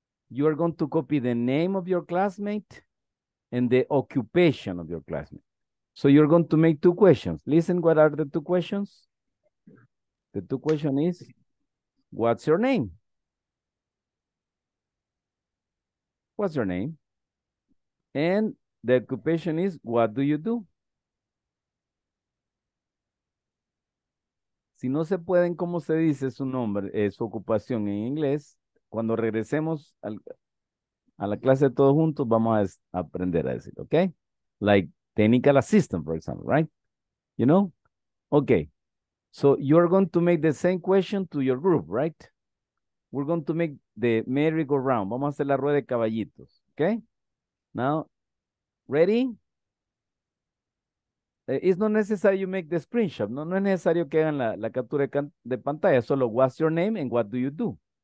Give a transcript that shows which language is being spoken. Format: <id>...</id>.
<en>You are going to copy the name of your classmate and the occupation of your classmate. So you're going to make two questions. Listen, what are the two questions? The two question is, what's your name? What's your name? And the occupation is, what do you do?</en> <es>Si no se pueden, ¿cómo se dice su nombre, su ocupación en inglés? Cuando regresemos a la clase todos juntos, vamos a aprender a decir, ¿ok?</es> <en>Like, technical assistant, for example, right? You know? Okay. So, you're going to make the same question to your group, right? We're going to make the merry-go-round.</en> <es>Vamos a hacer la rueda de caballitos, okay?</es> <en>Now, ready? It's not necessary you make the screenshot.</en> <es>No, no es necesario que hagan la captura de pantalla.</es> <en>Solo, what's your name and what do you do?</en>